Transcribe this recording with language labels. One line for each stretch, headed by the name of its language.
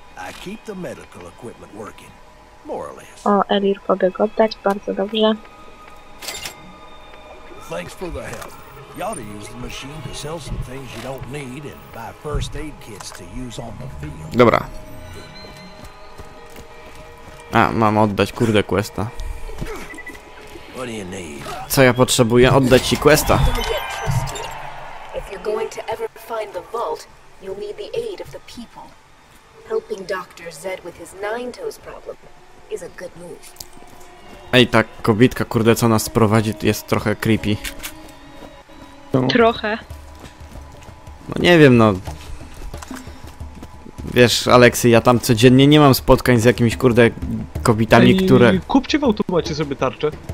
English: I keep the medical equipment working, more or less.
Polish: O, Elir pobiegł oddać, bardzo dobrze.
English: Thanks for the help. You ought to use the machine to sell some things you don't need and buy first aid kits to use on the field.
Polish: Dobra. A, mam oddać, kurde, questa.
English: What do you need?
Polish: Co ja potrzebuję? Oddać ci questa.
English: If you're going to ever find the vault, you'll need the aid of the people. Helping Dr. Zed with his nine toes problem is a good move.
Polish: Ej, ta kobitka, kurde, co nas prowadzi, jest trochę creepy. No. Trochę. No nie wiem, no. Wiesz, Aleksy, ja tam codziennie nie mam spotkań z jakimiś, kurde, kobitami, ej, które... Kupcie w automacie sobie tarczę.